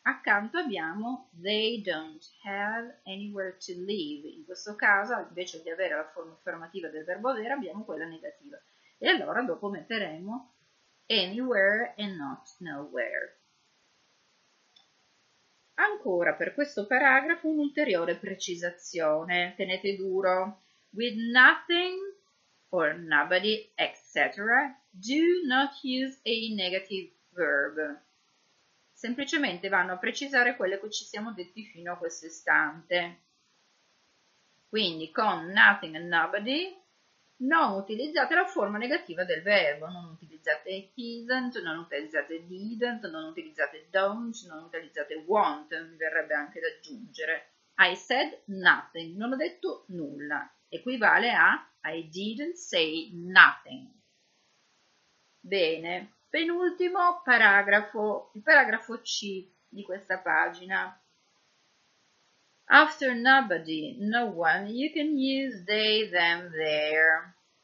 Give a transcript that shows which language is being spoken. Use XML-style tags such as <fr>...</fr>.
<it>Accanto abbiamo</it> <en>they don't have anywhere to live.</en> <it>In questo caso, invece di avere la forma affermativa del verbo avere, abbiamo quella negativa. E allora dopo metteremo</it> <en>anywhere and not nowhere.</en> <it>Ancora per questo paragrafo un'ulteriore precisazione, tenete duro.</it> <en>With nothing or nobody, etc., do not use a negative verb.</en> <it>Semplicemente vanno a precisare quello che ci siamo detti fino a questo istante. Quindi con</it> <en>nothing and nobody</en> <it>non utilizzate la forma negativa del verbo, non utilizzate isn't, non utilizzate didn't, non utilizzate don't, non utilizzate won't, mi verrebbe anche da aggiungere.</it> <en>I said nothing,</en> <it>non ho detto nulla, equivale a</it> <en>I didn't say nothing.</en> <it>Bene, penultimo paragrafo, il paragrafo C di questa pagina.</it> <en>After nobody, no one, you can use they, them, there.</en>